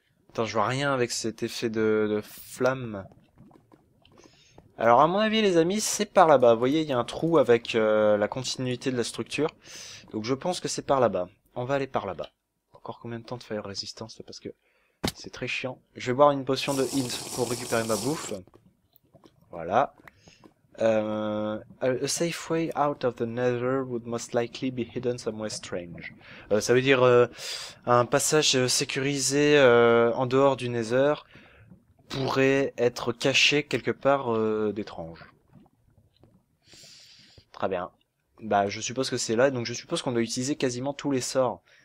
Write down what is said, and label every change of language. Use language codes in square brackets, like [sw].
[fr] Attends, je vois rien avec cet effet de flamme. Alors à mon avis les amis, c'est par là-bas. Vous voyez, il y a un trou avec la continuité de la structure. Donc je pense que c'est par là-bas. On va aller par là-bas. Encore combien de temps de fire résistance là, parce que c'est très chiant. Je vais boire une potion de heal pour récupérer ma bouffe. Voilà. [en] A safe way out of the Nether would most likely be hidden somewhere strange. [fr] Ça veut dire un passage sécurisé en dehors du Nether pourrait être caché quelque part d'étrange. Très bien. Bah, je suppose que c'est là, donc je suppose qu'on doit utiliser quasiment tous les sorts.